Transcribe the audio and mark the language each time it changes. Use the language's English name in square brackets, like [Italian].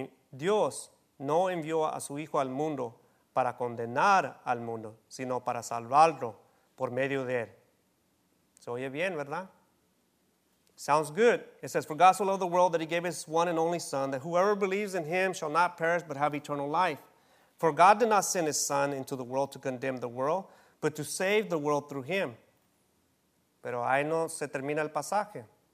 [Spanish] Dios no envió a su Hijo al mundo para condenar al mundo, sino para salvarlo por medio de Él. Se oye bien, ¿verdad? [English] Sounds good. It says, for God so loved the world that he gave his one and only son, that whoever believes in him shall not perish but have eternal life. For God did not send his son into the world to condemn the world, but to save the world through him. [Spanish] Pero ahí no se termina el pasaje.